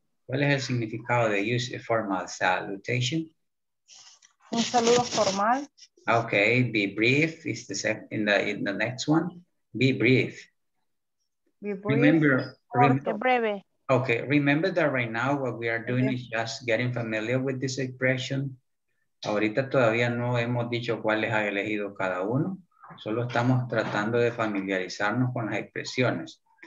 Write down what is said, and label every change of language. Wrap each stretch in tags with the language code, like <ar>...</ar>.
<es>¿Cuál es el significado de</es> <en>use a formal salutation?</en> <es>Un saludo formal.</es> <en>Okay, be brief is the second in the next one. Be brief. Remember that right now what we are doing is just getting familiar with this expression.</en> <es>Ahorita todavía no hemos dicho cuáles ha elegido cada uno. Solo estamos tratando de familiarizarnos con las expresiones.</es>